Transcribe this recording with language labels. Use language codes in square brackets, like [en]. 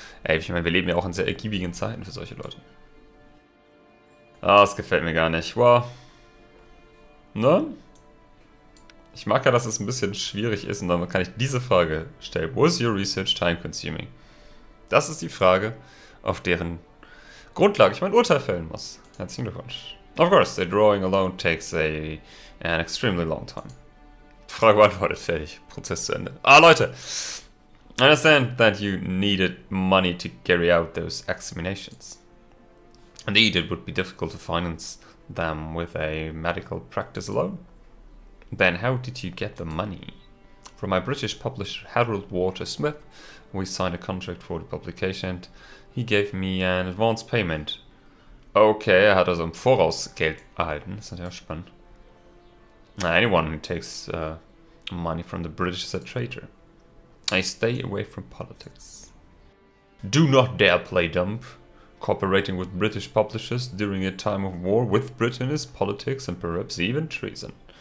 [de] Ey, ich meine, wir leben ja auch in sehr ergiebigen Zeiten für solche Leute. Ah, es gefällt mir gar nicht. Wow. Ne? Ich mag ja, dass es ein bisschen schwierig ist und dann kann ich diese Frage stellen. [en] Was your research time consuming? [de] Das ist die Frage, auf deren Grundlage ich mein Urteil fällen muss. Herzlichen Glückwunsch. [en] Of course, the drawing alone takes an extremely long time. [de] Frage beantwortet, fertig. Prozess zu Ende. Ah, Leute! [en] I understand that you needed money to carry out those examinations. Indeed, it would be difficult to finance them with a medical practice alone. Then how did you get the money? From my British publisher Harold Walter Smith, we signed a contract for the publication. He gave me an advance payment. [de] Okay, er hat also im Voraus Geld erhalten. Das ist ja spannend. [en] Anyone who takes money from the British is a traitor. I stay away from politics. Do not dare play dumb. Cooperating with British publishers during a time of war with Britain is politics and perhaps even treason.